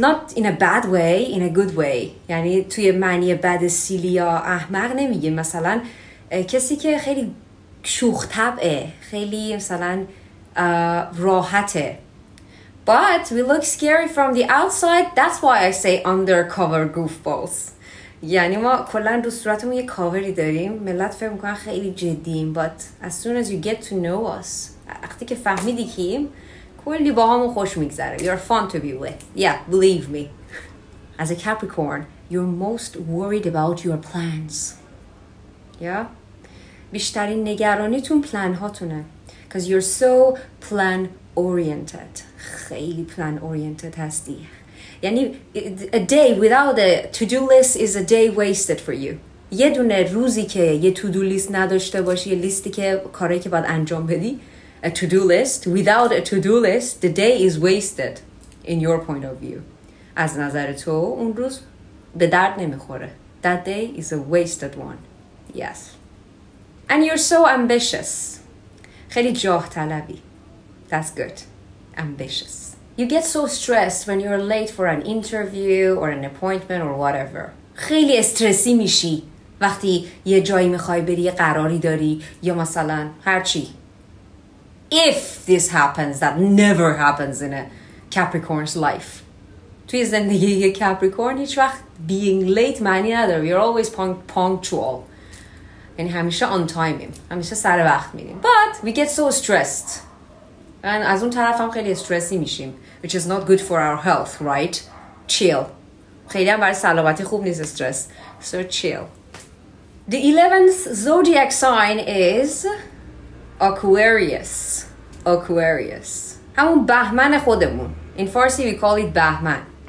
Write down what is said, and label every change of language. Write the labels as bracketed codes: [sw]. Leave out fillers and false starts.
[en] Not in a bad way, in a good way. [fa] یعنی توی معنی بد سیلی یا احمق نمیگه. مثلا کسی که خیلی شوخ طبعه. خیلی مثلا راحته. [en] But we look scary from the outside. That's why I say undercover goofballs. [fa] یعنی ما کلن رو صورتمون یه کاوری داریم. ملت فکر میکنن خیلی جدیم. [en] But as soon as you get to know us. [fa] وقتی که فهمیدی کیم. کلی با همون خوش میگذره. [en] You're fun to be with. Yeah, believe me. As a Capricorn, you're most worried about your plans. Yeah? [fa] بیشترین نگرانیتون پلان هاتونه. [en] Because you're so plan oriented. [fa] خیلی plan oriented هستی. [en] یعنی a day without a to-do list is a day wasted for you. [fa] یه دونه روزی که یه to-do list نداشته باشی, یه لیستی که کاری که باید انجام بدی, [en] a to-do list, without a to-do list, the day is wasted in your point of view. [fa] از نظر تو اون روز به درد نمیخوره. [en] That day is a wasted one. Yes. And you're so ambitious. [fa] خیلی جاه طلبی. [en] That's good. Ambitious. You get so stressed when you're late for an interview or an appointment or whatever. [fa] خیلی استرسی میشی وقتی یه جایی میخوای بری, یه قراری داری یا مثلا هرچی. [en] If this happens, that never happens in a Capricorn's life. [fa] توی زندگی یه Capricorn هیچ وقت [en] being late [fa] معنی نداره. [en] We're always punctual. [fa] یعنی همیشه [en] on time. [fa] همیشه سر وقت میریم. [en] But we get so stressed. [fa] And از اون طرف هم خیلی استرسی میشیم. [en] Which is not good for our health, right? Chill. [fa] خیلی هم برای سلامتی خوب نیست استرس. [en] So chill. The 11th zodiac sign is Aquarius. Aquarius. [fa] همون بهمن خودمون. [en] In Farsi we call it بهمن.